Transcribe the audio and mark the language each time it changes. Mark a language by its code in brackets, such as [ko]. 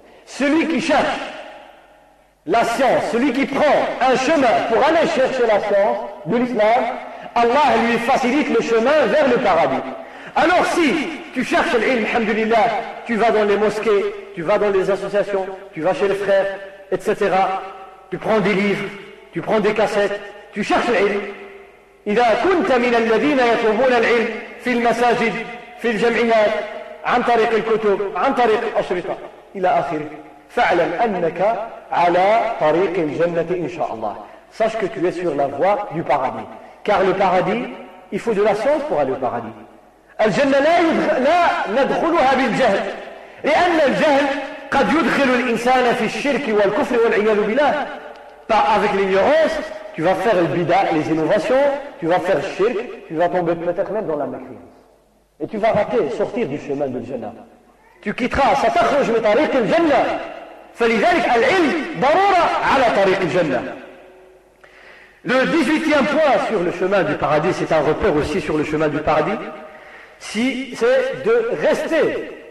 [fr] Celui qui cherche la science, celui qui prend un chemin pour aller chercher la science de l'islam, Allah lui facilite le chemin vers le paradis. Alors si tu cherches l'ilm, alhamdulillah, tu vas dans les mosquées, tu vas dans les associations, tu vas chez les frères, etc. Tu prends des livres, tu prends des cassettes, tu cherches l'ilm. [ar] إذا كنت من الذين يطلبون العلم في المساجد في الجمعيات عن طريق الكتب عن طريق الأشرطة إلى آخره فاعلم أنك على طريق الجنة إن شاء الله. [fr] Sache que tu es sur la voie du paradis. Car le paradis, il faut de la science pour aller au paradis. [ar] الجنة لا ندخلها بالجهل. لأن الجهل قد يدخل الإنسان في الشرك والكفر والعياذ بالله. [fr] Pas avec l'ignorance. Tu vas faire le bida, les innovations, tu vas faire shirk, tu vas tomber peut-être même dans la mécréance. Et tu vas rater, sortir du chemin de l'jannah. Tu quitteras, ça t'achrouge le tariq al-jannah. [ar] Falidhalik al-ilm darura ala tariq al-jannah. [fr] Le 18e point sur le chemin du paradis, c'est un repère aussi sur le chemin du paradis, si c'est de rester.